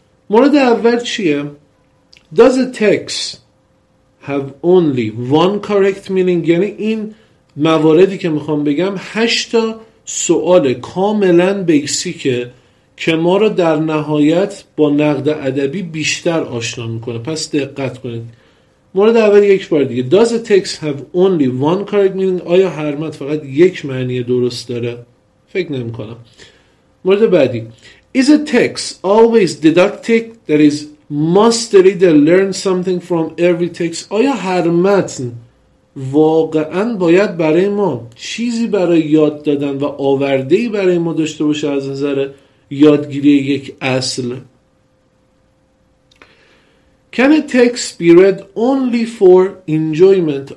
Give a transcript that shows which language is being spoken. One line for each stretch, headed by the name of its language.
Persian: مورد اول چیه؟
English: Does a text have only one correct meaning؟
Persian: یعنی این مواردی که میخوام بگم 8 سؤال کاملا بیسیکه که ما را در نهایت با نقد ادبی بیشتر آشنا میکنه. پس دقت کنید. مورد اول یک بار دیگه،
English: Does a text have only one correct meaning؟
Persian: آیا هر متن فقط یک معنی درست داره؟ فکر نمیکنم.
English: مورد بعدی، Is a text always didactic? That is, must the reader learn something from every text?
Persian: آیا هر متن واقعاً باید برای ما چیزی برای یاد دادن و آورده‌ای برای ما داشته باشه از نظر یادگیری یک اصل؟
English: Can a text be read only for enjoyment?